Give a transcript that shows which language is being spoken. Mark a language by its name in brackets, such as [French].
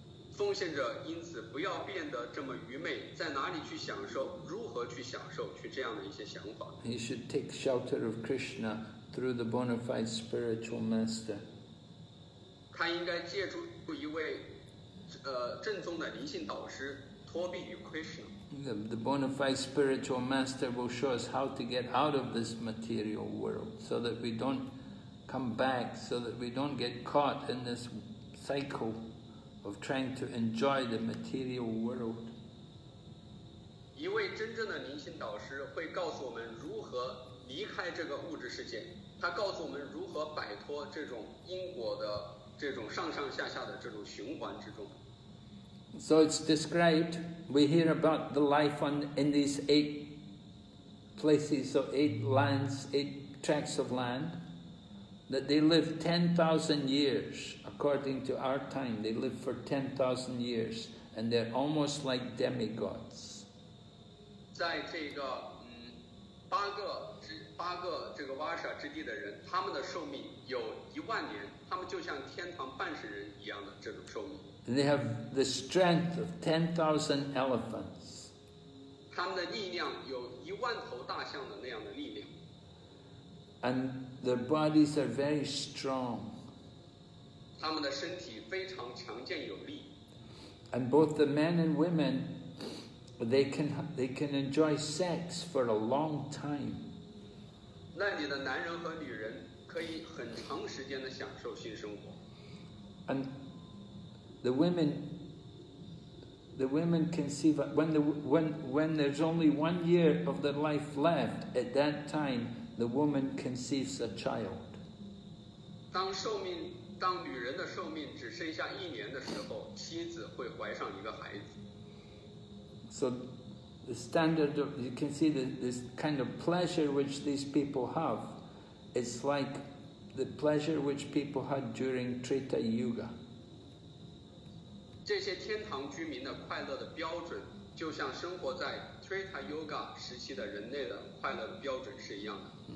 [Chinese] 奉献者因此不要变得这么愚昧，在哪里去享受，如何去享受，去这样的一些想法。 [English] He should take shelter of Krishna through the bona fide spiritual master. [Chinese] 他应该借助一位正宗的灵性导师，托庇于 Krishna。 [English] The bona fide spiritual master will show us how to get out of this material world so that we don't come back, so that we don't get caught in this cycle of trying to enjoy the material world. [Chinese] 一位真正的灵性导师会告诉我们如何离开这个物质世界，他告诉我们如何摆脱这种因果的这种上上下下的这种循环之中。 [English] So it's described, we hear about the life in these eight places, so eight lands, eight tracts of land, that they live 10,000 years, according to our time, they live for 10,000 years, and they're almost like demigods. [Chinese] 在这个八个这个瓦舍之地的人，他们的寿命有一万年，他们就像天堂半世人一样的这种寿命。 [English] And they have the strength of 10,000 elephants. [Chinese] 他们的力量有一万头大象的那样的力量。 [English] And their bodies are very strong. [Chinese] 他们的身体非常强健有力。 [English] And both the men and women, they can enjoy sex for a long time. [Chinese] 那里的男人和女人可以很长时间的享受性生活。 [English] And The women conceive, when there's only 1 year of their life left, at that time, the woman conceives a child. [Chinese] 当女人的寿命只剩下一年的时候，妻子会怀上一个孩子。 [English] So the standard of, you can see that this kind of pleasure which these people have, it's like the pleasure which people had during Treta Yuga. [Chinese] 这些天堂居民的快乐的标准，就像生活在 Treta Yuga 时期的人类的快乐的标准是一样的。